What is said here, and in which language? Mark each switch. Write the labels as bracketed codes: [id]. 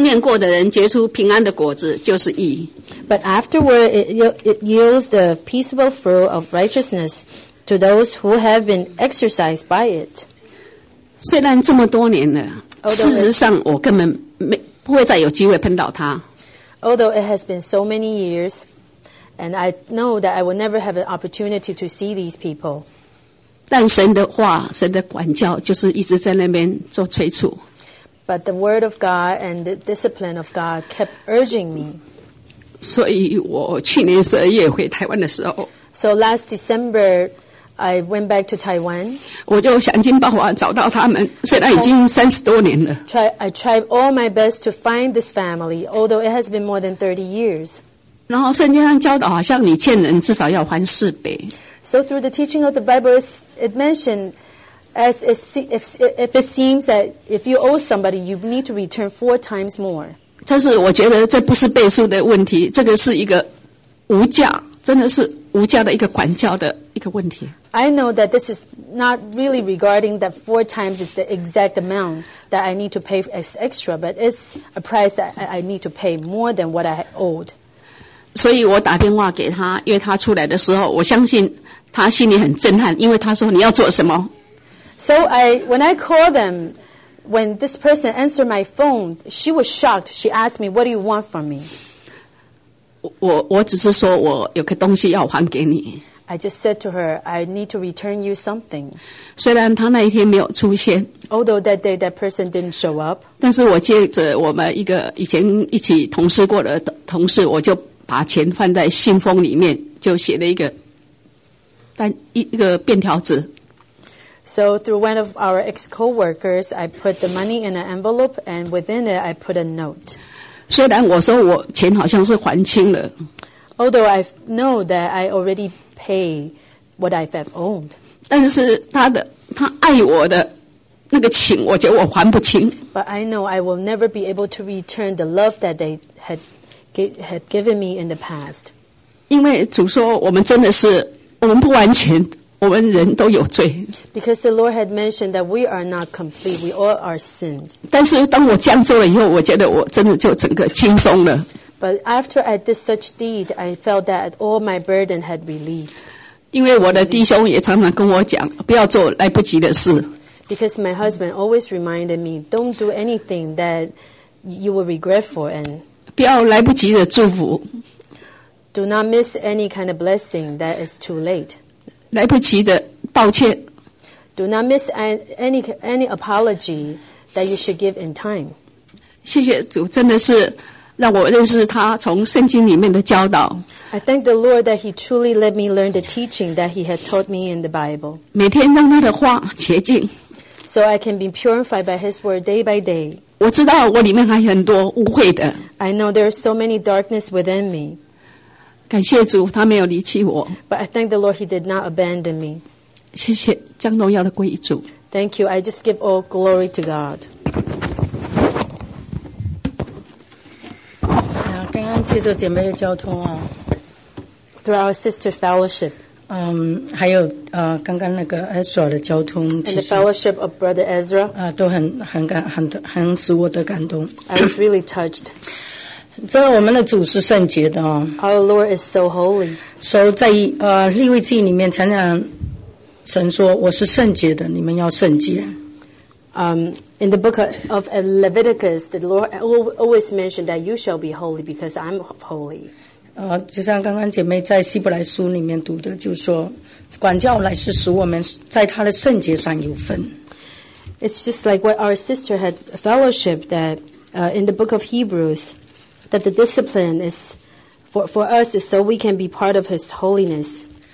[zh] 后来却为那经验过的人结出平安的果子，就是义。 [en] But afterward, it yields the peaceable fruit of righteousness to those who have been exercised by it. [zh] 虽然这么多年了。 [en] Although it has been so many years, and I know that I will never have an opportunity to see these people. [zh] 但神的话，神的管教就是一直在那边做催促。 [en] But the word of God and the discipline of God kept urging me. [zh] 所以我去年12月回台湾的时候。 [en] So last December, I went back to Taiwan. [zh] 我就想尽办法找到他们，虽然已经30多年了。 [en] I tried all my best to find this family, although it has been more than 30 years. [zh] 然后圣经上教导，好像你欠人至少要还4倍。 [en] So through the teaching of the Bible, it mentioned as if it seems that if you owe somebody, you need to return 4 times more. [zh] 但是我觉得这不是倍数的问题，这个是一个无价，真的是无价。无家的一个管教的一个问题。 [en] I know that this is not really regarding that four times is the exact amount that I need to pay as extra, but it's a price that I need to pay more than what I owed. [zh] 所以我打电话给他，约他出来的时候，我相信他心里很震撼，因为他说你要做什么。 [en] So when I call them, when this person answered my phone, she was shocked. She asked me, "What do you want from me?" [zh] 我只是说我有个东西要还给你。 [en] I just said to her, "I need to return you something." [zh] 虽然他那一天没有出现 [en] although that day that person didn't show up. [zh] 但是我借着我们一个以前一起同事过的同事，我就把钱放在信封里面，就写了一个单一个便条纸。 [en] So through one of our ex-coworkers, I put the money in an envelope, and within it, I put a note. [zh] 虽然我说我钱好像是还清了 [en] although I know that I already pay what I have owed. [zh] 但是他爱我的那个情，我觉得我还不清。 [en] But I know I will never be able to return the love that they had given me in the past. [zh] 因为主说我们真的是我们不完全。我们人都有罪。 [en] Because the Lord had mentioned that we are not complete, we all are sinned. [zh] 但是当我这样做了以后，我觉得我真的就整个轻松了。 [en] But after I did such deed, I felt that all my burden had relieved. [zh] 因为我的弟兄也常常跟我讲，不要做来不及的事。 [en] Because my husband always reminded me, don't do anything that you will regret for, and [zh] 不要来不及的祝福。 [en] Do not miss any kind of blessing that is too late. [zh] 来不及的抱歉。 [en] Do not miss any apology that you should give in time. [zh] 谢谢主，真的是让我认识他从圣经里面的教导。 [en] I thank the Lord that He truly let me learn the teaching that He had taught me in the Bible. [zh] 每天让他的话洁净。 [en] So I can be purified by His word day by day. [zh] 我知道我里面还很多污秽的。 [en] I know there are so many darkness within me. [zh] 感谢主，他没有离弃我。 [en] But I thank the Lord He did not abandon me. [zh] 谢谢，将荣耀的归于主。 [en] Thank you. I just give all glory to God. [zh] 刚刚接着姐妹的交通啊 [en] ，through our sister fellowship. [zh] 还有刚刚那个 Ezra 的交通 [en] ，and the fellowship of Brother Ezra. [zh] 都很使我的感动。 [en] I was really touched. [zh] 知道我们的主是圣洁的、 [en] 哦、Our Lord is so holy. [zh] So 在利未记里面常常神说我是圣洁的你们要圣洁。 [en] In the book of Leviticus, the Lord always mentioned that you shall be holy because I'm holy. [zh] 就像刚刚姐妹在希伯来书里面读的就是说管教乃是使我们在他的圣洁上有份。 [en] It's just like what our sister had fellowship that in the book of Hebrews,that the discipline is for us is so we can be part of His holiness.